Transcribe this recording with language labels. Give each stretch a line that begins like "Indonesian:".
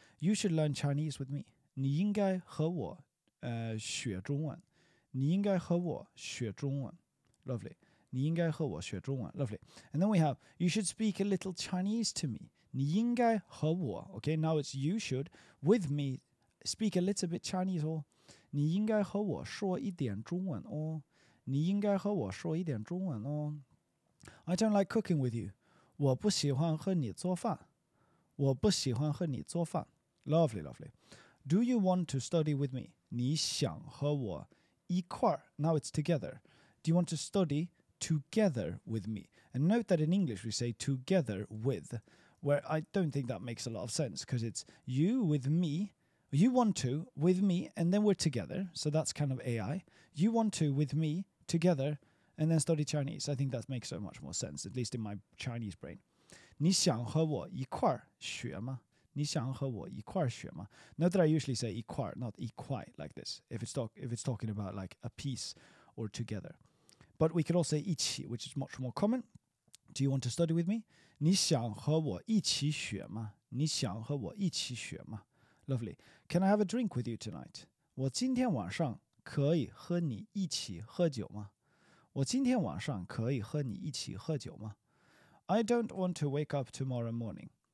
English: You should learn Chinese with me.
Chinese: 你应该和我学中文. 你应该和我学中文.
English: Lovely.
Chinese: 你应该和我学中文.Lovely.
English: And then we have, you should speak a little Chinese to me.
Chinese: 你应该和我.
English: Okay, now it's you should, with me, speak a little bit Chinese.
Chinese: 你应该和我说一点中文哦.你应该和我说一点中文哦.
English: I don't like cooking with you.
Chinese: 我不喜欢和你做饭. 我不喜欢和你做饭.
English: Lovely, lovely. Do you want to study with me?
Chinese: 你想和我一块儿.
English: Now it's together. Do you want to study together with me? And note that in English we say together with, where I don't think that makes a lot of sense, because it's you with me, you want to with me, and then we're together. So that's kind of AI. You want to with me together, and then study Chinese. I think that makes so much more sense, at least in my Chinese brain.
Chinese: 你想和我一块儿学吗?你想和我一块儿学吗?
English: Note that I usually say 一块, not 一块, like this. If it's talking about like a piece or together. But we could also say 一起, which is much more common. Do you want to study with me?
Chinese: 你想和我一起学吗? 你想和我一起学吗?
English: Lovely. Can I have a drink with you tonight?
Chinese: 我今天晚上可以和你一起喝酒吗? 我今天晚上可以和你一起喝酒吗?
English: I don't want to wake up tomorrow morning.